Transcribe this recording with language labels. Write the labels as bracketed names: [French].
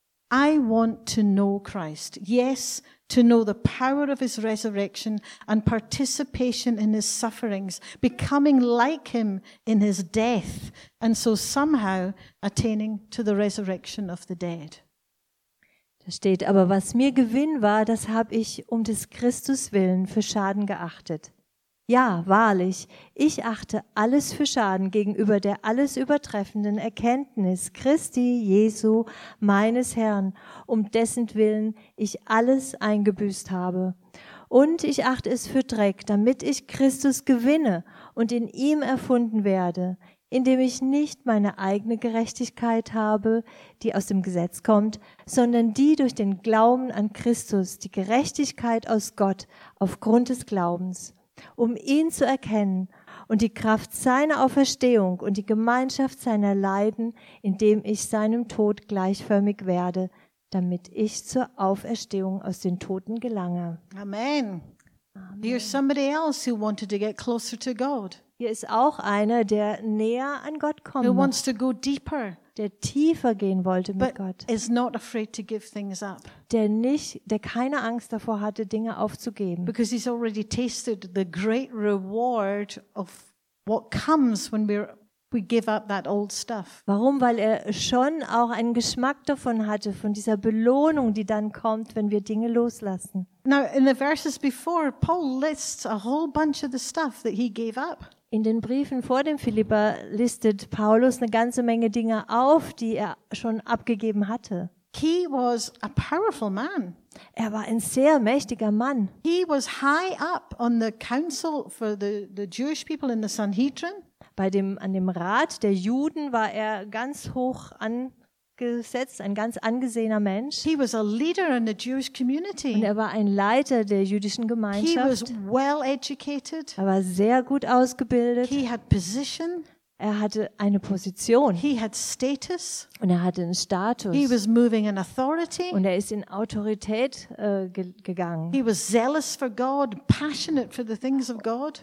[English] I want to know Christ. Yes, to know the power of his resurrection and participation in his sufferings, becoming like him in his death, and so somehow attaining to the resurrection of the dead. [German] Da steht, aber was mir Gewinn war, das habe ich um des Christus willen für Schaden geachtet. Ja, wahrlich, ich achte alles für Schaden gegenüber der alles übertreffenden Erkenntnis Christi Jesu, meines Herrn, um dessen Willen ich alles eingebüßt habe. Und ich achte es für Dreck, damit ich Christus gewinne und in ihm erfunden werde, indem ich nicht meine eigene Gerechtigkeit habe, die aus dem Gesetz kommt, sondern die durch den Glauben an Christus, die Gerechtigkeit aus Gott aufgrund des Glaubens. Um ihn zu erkennen und die Kraft seiner Auferstehung und die Gemeinschaft seiner Leiden, indem ich seinem Tod gleichförmig werde, damit ich zur Auferstehung aus den Toten gelange. [English] Amen. Amen. Here's somebody else who wanted to get closer to God. [German] Hier ist auch einer, der näher an Gott kommen will. [English] Who wants to go deeper. [German] Der tiefer gehen wollte mit Gott. [English] Is not afraid to give things up. [German] Der keine Angst davor hatte, Dinge aufzugeben. [English] Because he's already tasted the great reward of what comes when we give up that old stuff. [German] Warum? Weil er schon auch einen Geschmack davon hatte, von dieser Belohnung, die dann kommt, wenn wir Dinge loslassen. [English] Now in the verses before, Paul lists a whole bunch of the stuff that he gave up. [German] In den Briefen vor dem Philipper listet Paulus eine ganze Menge Dinge auf, die er schon abgegeben hatte. [English] He was a powerful man. [German] Er war ein sehr mächtiger Mann. [English] He was high up on the council for the Jewish people in the Sanhedrin. [German] An dem Rat der Juden war er ganz hoch angesetzt, ein ganz angesehener Mensch. [English] He was a leader in the Jewish community. [German] Und er war ein Leiter der jüdischen Gemeinschaft. [English] He was well educated. [German] Er war sehr gut ausgebildet. [English] He had position. [German] Er hatte eine Position. [English] He had status. [German] Und er hatte einen Status. [English] He was moving in authority. [German] Und er ist in Autorität gegangen. [English] He was zealous for God, passionate for the things of God.